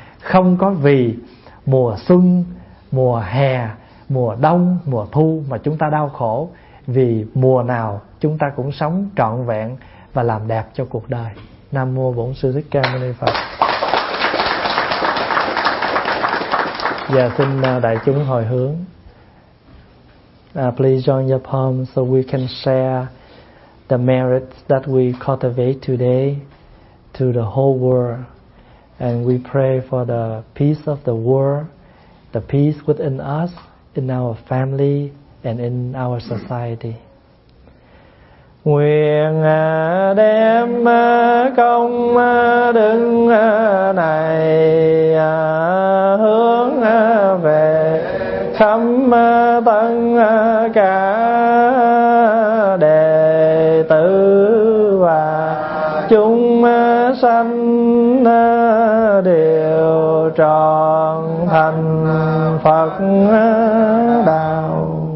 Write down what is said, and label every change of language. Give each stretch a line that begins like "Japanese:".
Vietnamese: Không có vì mùa xuân, mùa hè, mùa đông, mùa thu mà chúng ta đau khổ. Vì mùa nào chúng ta cũng sống trọn vẹn và làm đẹp cho cuộc đời. Nam mô Bổn Sư Thích Ca Mâu Ni Phật. Và xin đại chúng hồi hướng.
English: Please join your palms so we can share the merits that we cultivate today to the whole world. And we pray for the peace of the world, the peace within us, in our family, and in our society.
Vietnamese: Nguyện đem công đức này hướng về khắp tất cả đệ tử và chúng sanh đều trọn thành Phật đạo.